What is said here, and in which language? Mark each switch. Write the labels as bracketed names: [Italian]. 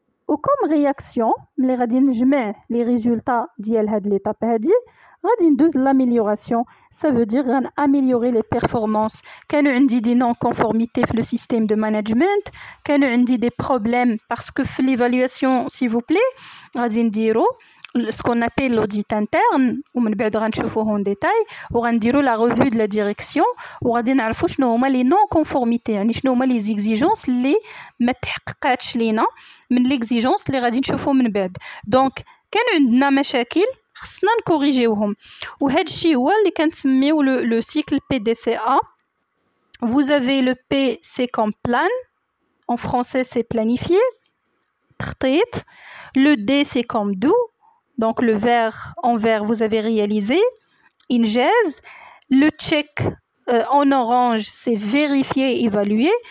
[French] Ou comme réaction, [Arabic] ملي غادي نجمع [French] les résultats [Arabic] ديال هاد ليتاب هادي, غادي ندوز l'amélioration. [French] Ça veut dire غن améliorer les performances. [Arabic] كانوا عندي [French] دي non conformité في le système de management, كانوا عندي des problèmes parce que في l'évaluation, s'il vous plaît, [Arabic] غادي نديرو [French] ce qu'on appelle l'audit interne, [Arabic] ومن بعد غنشوفوه [French] en détail, وغنديرو la revue de la direction, [Arabic] وغادي نعرفو شنو هما [French] les non conformité, [Arabic] يعني شنو هما [French] les exigences [Arabic] اللي ما تحققاتش لينا من [French] l'exigence [Arabic] اللي غادي نشوفو من بعد. Donc, كانوا عندنا مشاكل خصنا نكوريجيوهم, وهذا الشيء هو اللي كنسميو لو سيكل بي دي سي ا. [French] vous avez le P c'est comme plan, en français c'est planifier, تخطيط. le D c'est comme do, donc le verbe en vert vous avez réalisé, انجاز. le check en orange c'est vérifier, évaluer.